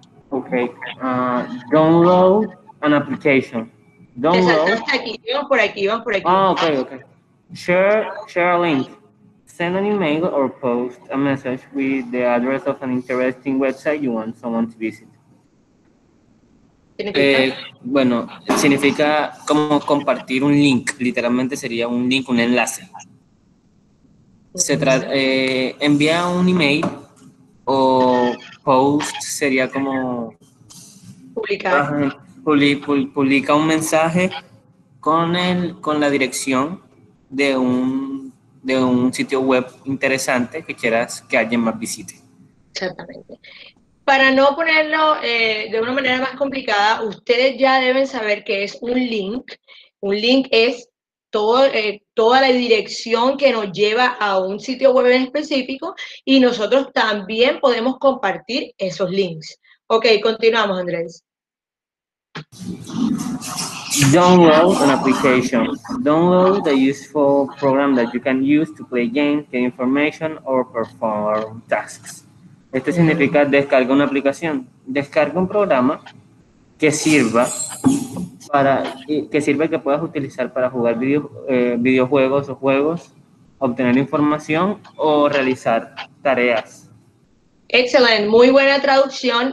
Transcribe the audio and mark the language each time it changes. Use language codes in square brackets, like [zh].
[en] Okay, download an application. [es] Download. Vamos por aquí. [en] Ah, okay. Share a link. Send an email or post a message with the address of an interesting website you want someone to visit. [es] Bueno, significa como compartir un link, literalmente sería un link, un enlace. Se trata, envía un email o post sería como publicar. Publica un mensaje con la dirección de un sitio web interesante que quieras que alguien más visite. Exactamente. Para no ponerlo de una manera más complicada, ustedes ya deben saber qué es un link. Un link es toda la dirección que nos lleva a un sitio web en específico y nosotros también podemos compartir esos links. Ok, continuamos, Andrés. [en] Download an application. Download the useful program that you can use to play games, get information or perform tasks. [es] Esto significa descarga una aplicación, descarga un programa que puedas utilizar para jugar videojuegos o juegos, obtener información o realizar tareas. Excelente, muy buena traducción.